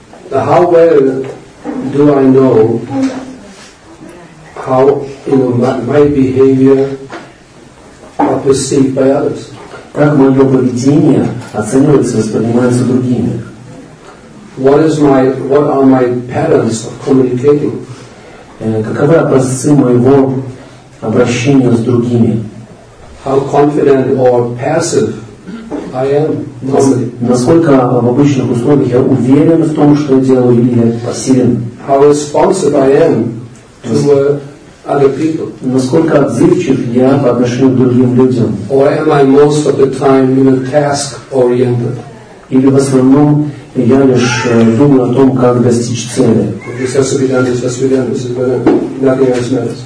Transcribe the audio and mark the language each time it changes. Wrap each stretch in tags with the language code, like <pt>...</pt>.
<en>How well do I know how, you know, my behavior are perceived by others?</en> <ru>Как мое поведение оценивается и воспринимается другими?</ru> <en>What are my patterns of communicating?</en> <ru>Каковы образцы моего обращения с другими?</ru> <en>How confident or passive I am?</en> <ru>Насколько в обычных условиях я уверен в том, что я делаю, или я пассивен?</ru> <en>How responsive I am to other people?</en> <ru>Насколько отзывчив я по отношению к другим людям?</ru> <en>Or am I most of the time, you know, task oriented?</en> <ru>Или в основном я лишь думаю о том, как достичь цели.</ru> <en>This has to be done, this has to be done, this is nothing else matters.</en>